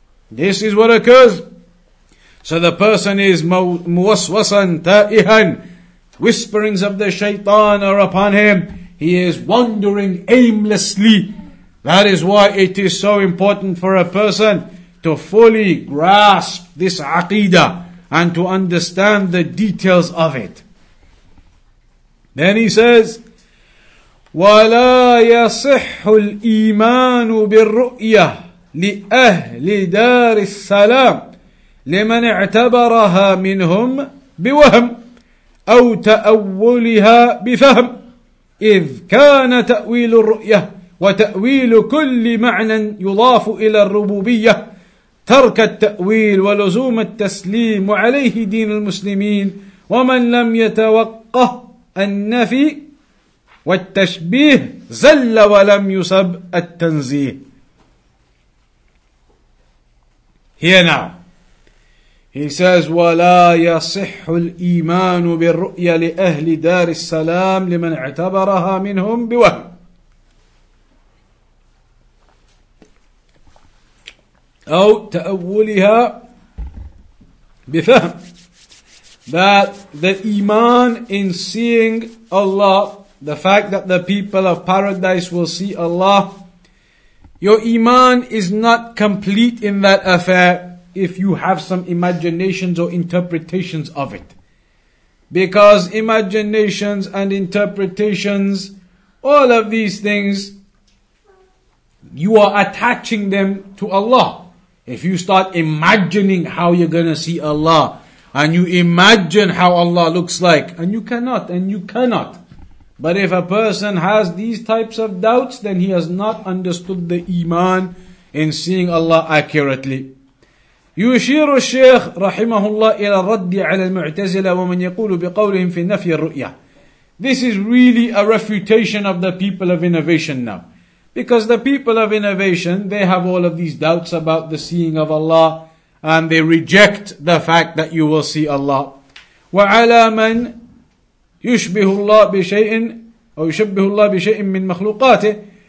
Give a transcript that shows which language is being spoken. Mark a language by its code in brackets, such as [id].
[en] This is what occurs. So the person is [ar] muwaswasan ta'ihan, [en] whisperings of the shaitan are upon him. He is wandering aimlessly. That is why it is so important for a person to fully grasp this aqeedah and to understand the details of it. [ar] Then he says, وَلَا يَصِحُّ الْإِيمَانُ بِالرُّؤْيَةِ لِأَهْلِ دَارِ السَّلَامِ لِمَنْ اَعْتَبَرَهَا مِنْهُمْ بِوَهْمٍ أَوْ تَأَوُّلِهَا بِفَهْمٍ إِذْ كَانَ تَأْوِيلُ الرُّؤْيَةِ وتأويل كل معنى يضاف إلى الربوبية ترك التأويل ولزوم التسليم وعليه دين المسلمين ومن لم يتوقه النفي والتشبيه زل ولم يسب التنزيه. [en] Here now, he says, [ar] ولا يصح الإيمان بالرؤية لأهل دار السلام لمن اعتبرها منهم بوهم. أو تأولها بفهم, [en] that the iman in seeing Allah, the fact that the people of paradise will see Allah, your iman is not complete in that affair if you have some imaginations or interpretations of it. Because imaginations and interpretations, all of these things, you are attaching them to Allah. If you start imagining how you're going to see Allah, and you imagine how Allah looks like, and you cannot. But if a person has these types of doubts, then he has not understood the iman in seeing Allah accurately. [ar] يشير الشيخ رحمه الله إلى الرد على المعتزلة ومن يقول بقولهم في نفي الرؤية. [en] This is really a refutation of the people of innovation now. Because the people of innovation, they have all of these doubts about the seeing of Allah, and they reject the fact that you will see Allah. [ar] وَعَلَى مَنْ يُشْبِهُ اللَّهِ بِشَيْءٍ أَوْ يُشَبِّهُ اللَّهِ بِشَيْءٍ مِّن مَخْلُوقَاتِهِ.